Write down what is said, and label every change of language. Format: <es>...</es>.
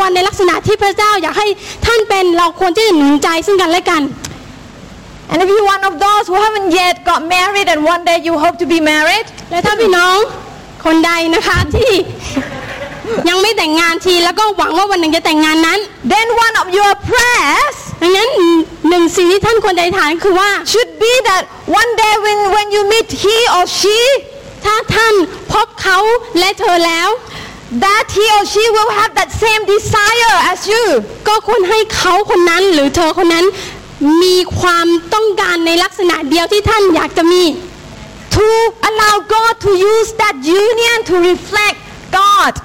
<th>ในลักษณะที่พระเจ้าอยากให้ท่านเป็นเราควรจะหนุนใจซึ่งกันและกัน</th> <en>And if you one of those who haven't yet got married and one day you hope to be married</en> <th>และถ้าพี่น้องคนใดนะคะที่ยังไม่แต่งงานทีแล้วก็หวังว่าวันหนึ่งจะแต่งงานนั้น</th> <en>Then one of your prayers</en> <th>ดังนั้นหนึ่งสิ่งที่ท่านควรจะอธิษฐานคือว่า</th> <en>Should be that one day when you meet he or she</en> <th>ถ้าท่านพบเขาและเธอแล้ว</th> <en>that he or she will have that same desire as you</en> <th>ก็ควรให้เขาคนนั้นหรือเธอคนนั้นมีความต้องการในลักษณะเดียวที่ท่านอยากจะมี</th> <en>to allow God to use that union to reflect God</en>